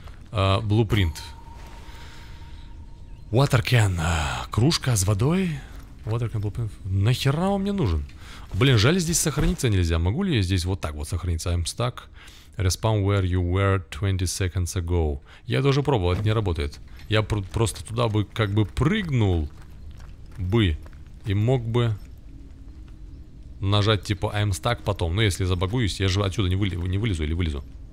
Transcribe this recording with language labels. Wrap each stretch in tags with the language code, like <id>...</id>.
<ru>Блупринт.</ru> <en>Water can.</en> <ru>Кружка с водой.</ru> <en>Water can blow.</en> <ru>Нахера он мне нужен? Блин, жаль, здесь сохраниться нельзя. Могу ли я здесь вот так вот сохраниться?</ru> <en>I'm stuck. Respawn where you were 20 seconds ago.</en> <ru>Я тоже пробовал, это не работает. Я просто туда бы как бы прыгнул бы и мог бы нажать типа</ru> <en>I'm stuck</en> <ru>потом. Но если забагуюсь, я же отсюда не вылезу или вылезу.</ru>